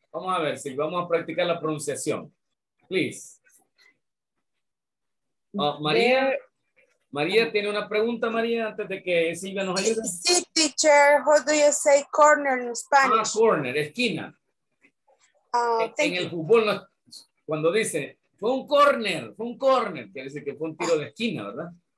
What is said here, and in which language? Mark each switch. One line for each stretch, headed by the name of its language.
Spanish: Vamos a ver, Silvia, vamos a practicar la pronunciación. Please. María, María tiene una pregunta, María, antes de que Silvia nos ayude.
English: Sí, teacher, how do you say corner in Spanish?
Spanish: Ah, corner, esquina. En el fútbol, cuando dice, fue un corner, quiere decir que fue un tiro de esquina, ¿verdad?